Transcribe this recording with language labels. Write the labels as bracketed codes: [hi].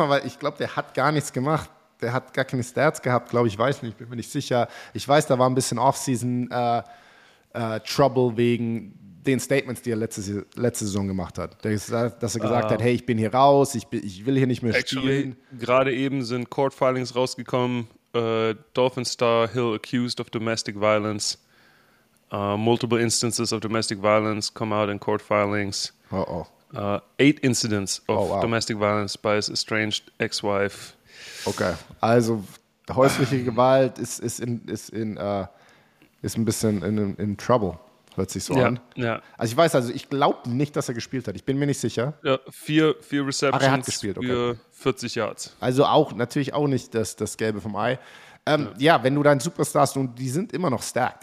[de] Aber ich glaube, der hat gar nichts gemacht. Der hat gar keine Stats gehabt, glaube ich. Weiß nicht, bin mir nicht sicher. Ich weiß, da war ein bisschen Offseason Trouble wegen den Statements, die er letzte Saison gemacht hat. Dass er gesagt hat, hey, ich bin hier raus, ich will hier nicht mehr spielen. Gerade eben sind Court Filings rausgekommen. [en] Dolphin Star Hill accused of domestic violence. Multiple instances of domestic violence come out in court filings. Oh, oh. 8 incidents of domestic violence by his estranged ex-wife. [de] Okay, also häusliche Gewalt ist ein bisschen in Trouble, hört sich so an. Ja. Also ich weiß, ich glaube nicht, dass er gespielt hat. Ich bin mir nicht sicher. Ja, 4 Receptions. Ach, er hat gespielt, okay. 40 Yards. Also auch natürlich auch nicht das Gelbe vom Ei. Wenn du deinen Superstars, und die sind immer noch stacked.